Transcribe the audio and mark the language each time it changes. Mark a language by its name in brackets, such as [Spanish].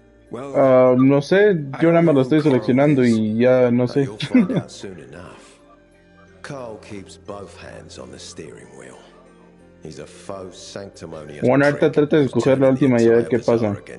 [Spanish] Well, no sé, yo nada más lo estoy seleccionando y ya no sé. [English] You'll find out soon enough. Carl keeps both hands on the steering wheel. He's a faux sanctimonious. [Spanish] Bueno, ahorita trata de escoger la última y a ver qué pasa.